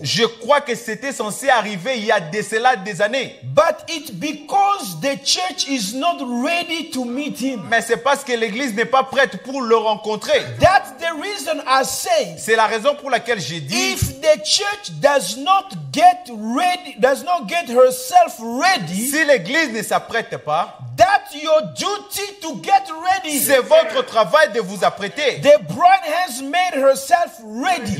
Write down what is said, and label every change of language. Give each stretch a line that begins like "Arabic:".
French: Je crois que c'était censé arriver il y a de cela des années.
English: But it's because the church is not ready to meet him.
French: Mais c'est parce que l'église n'est pas prête pour le rencontrer.
English: That's the reason I say.
French: C'est la raison pour laquelle j'ai dit.
English: If the church does not get herself ready.
French: Si l'église ne s'apprête pas.
English: That's your duty to get ready.
French: C'est votre travail de vous apprêter.
English: The bride has made her self ready.